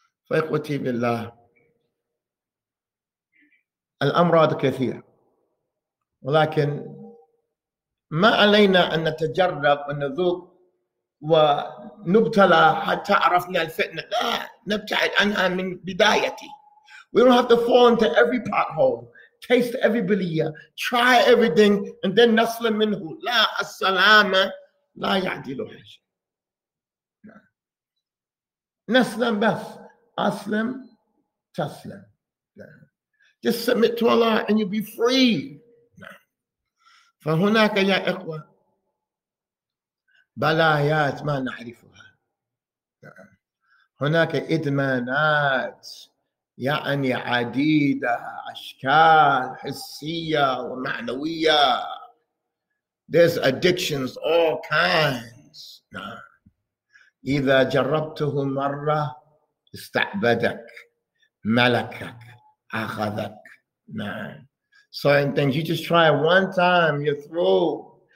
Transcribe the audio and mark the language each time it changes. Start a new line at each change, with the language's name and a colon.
Arabic: فإخوتي بالله، الأمراض كثيرة، ولكن ما علينا أن نتجرب أن نذوق ونبتلى حتى عرفنا الفتنة. لا, نبتعد عنها من بدايتي.
English: We don't have to fall into every pothole, taste every belia, try everything, and then
Arabic: نسلم منه. لا, السلامة لا يعدل حاجة. نسلم بس. أسلم تسلم.
English: Just submit to Allah and you'll be free.
Arabic: فهناك يا إخوة بلايات ما نعرفها. هناك إدمانات يعني عديدة, أشكال حسية ومعنوية.
English: There's addictions all kinds.
Arabic: إذا جربته مرة استعبدك, ملكك, أخذك.
English: Certain things you just try one time, you're through.